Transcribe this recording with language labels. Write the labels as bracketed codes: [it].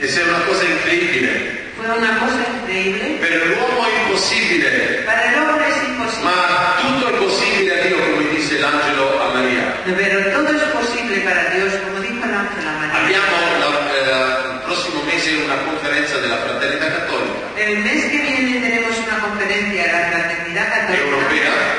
[es] Esa es una cosa increíble. Fue una cosa increíble. Pero el hombre es imposible. Para el hombre es imposible. [it] Ma tutto è possibile a Dio, come dice l'angelo a Maria. [es] Pero todo es posible para Dios, como dijo el ángel a María. [it] Abbiamo il prossimo mese una conferenza della Fraternità Cattolica. [es] El mes que viene tenemos una conferencia de la Fraternidad Católica.